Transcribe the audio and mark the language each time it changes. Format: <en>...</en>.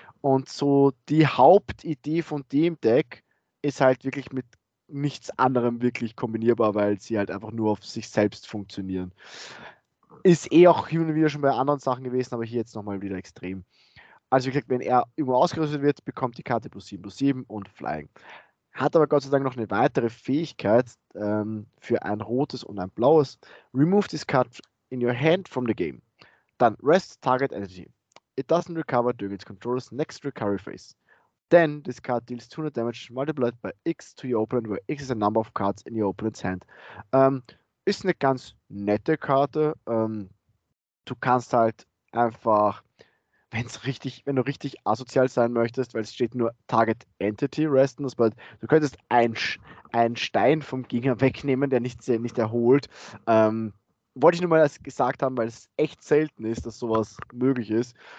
<de>Und so die Hauptidee von dem Deck ist halt wirklich mit nichts anderem wirklich kombinierbar, weil sie halt einfach nur auf sich selbst funktionieren. Ist eh auch hin und wieder schon bei anderen Sachen gewesen, aber hier jetzt nochmal wieder extrem. Also wie gesagt, wenn er irgendwo ausgerüstet wird, bekommt die Karte +7/+7 und Flying. Hat aber Gott sei Dank noch eine weitere Fähigkeit für ein rotes und ein blaues.</de> <en>Remove this card in your hand from the game. Dann rest target energy. It doesn't recover during its controller's next recovery phase. Then, this card deals 200 damage multiplied by X to your opponent, where X is a number of cards in your opponent's hand.</en> <de>Ist eine ganz nette Karte. Du kannst halt einfach, wenn du richtig asozial sein möchtest, weil es steht nur Target Entity Resten, das bedeutet, du könntest einen Stein vom Gegner wegnehmen, der nicht erholt. Wollte ich nur mal gesagt haben, weil es echt selten ist, dass sowas möglich ist.</de>